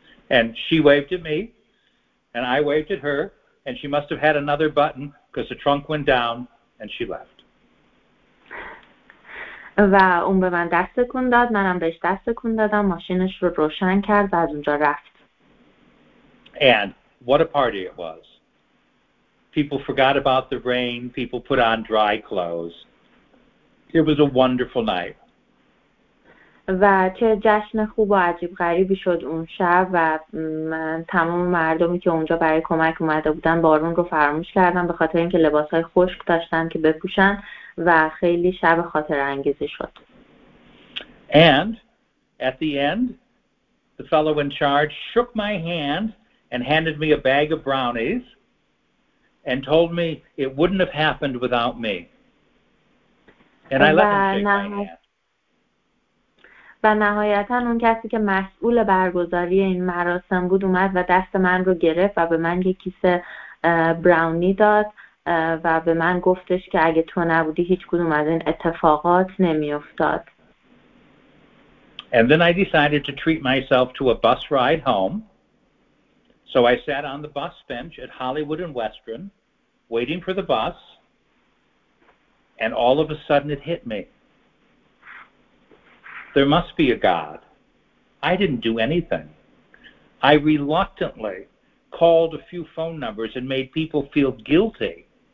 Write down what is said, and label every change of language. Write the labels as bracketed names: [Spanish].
[English] And she waved at me and I waved at her and she must have had another button because the trunk went down and she left. [Persian] و اون به من دست تکون داد منم بهش دست تکون دادم ماشینش رو روشن کرد و از اونجا رفت. [English] And what a party it was. People forgot about the rain. People put on dry clothes. It was a wonderful night. [Persian] و چه جشن خوب و عجیب غریبی شد اون شب و من تمام مردمی که اونجا برای کمک اومده بودن بارون رو فراموش کردم به خاطر اینکه لباس‌های خشک داشتن که بپوشن و خیلی شب خاطر انگیزی شد. [English] And at the end, the fellow in charge shook my hand and handed me a bag of brownies. And told me it wouldn't have happened without me. And I let him shake my hand. [Persian] و نهایتا اون کسی که مسئول برگزاری این مراسم بود اومد و دست من رو گرفت و به من یک کیسه براونی داد و به من گفتش که اگه تو نبودی هیچ کدوم از این اتفاقات نمی افتاد. [English] And then I decided to treat myself to a bus ride home. So I sat on the bus bench at Hollywood and Western, waiting for the bus, and all of a sudden it hit me. There must be a God. I didn't do anything. I reluctantly called a few phone numbers and made people feel guilty.